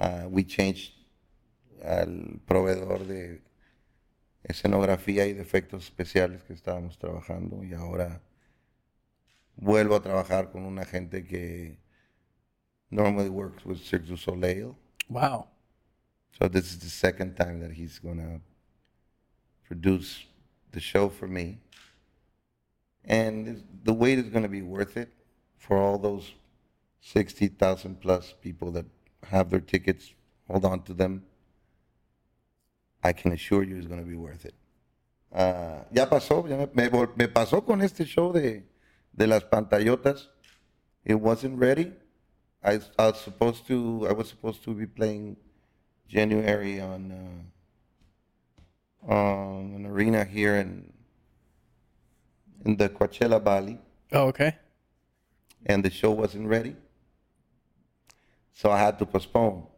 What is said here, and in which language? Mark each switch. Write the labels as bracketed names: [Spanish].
[English] We changed [Spanish] al proveedor de escenografía y de efectos especiales que estábamos trabajando, y ahora vuelvo a trabajar con una gente que [English] normally works with [Spanish] Cirque du Soleil. [English] Wow. So this is the second time that he's going to produce the show for me. And the wait is going to be worth it for all those 60,000 plus people that have their tickets, hold on to them. I can assure you it's going to be worth it. [Spanish] Ya pasó, ya me pasó con este show de las pantallotas. [English] It wasn't ready. I was supposed to be playing January on an arena here in the Coachella Valley. Oh, okay. And the show wasn't ready, so I had to postpone.